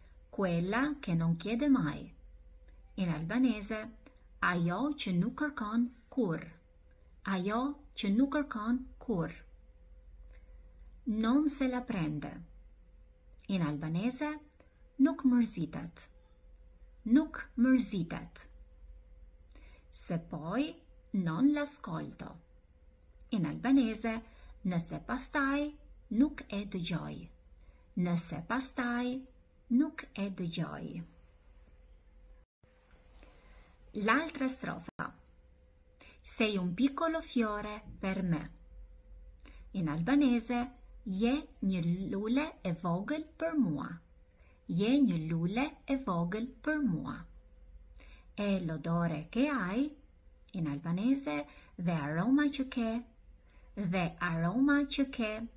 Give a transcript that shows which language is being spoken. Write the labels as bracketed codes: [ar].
[it] Quella che non chiede mai. In albanese, [sq] ajo që nuk kërkon kur. Ajo që nuk kërkon kur. [it] Non se la prende. In albanese, [sq] nuk mërzitet. Nuk mërzitet. [it] Se poi non l'ascolto. In albanese, [sq] nëse pastaj nuk e dëgjoj. Nëse pastaj nuk e dëgjoj. [it] L'altra strofa. Sei un piccolo fiore per me. In albanese, [sq] je një lule e vogël për mua. Je një lule e vogël për mua. [it] E l'odore che hai, in albanese, [sq] dhe aroma që ke, dhe aroma që ke.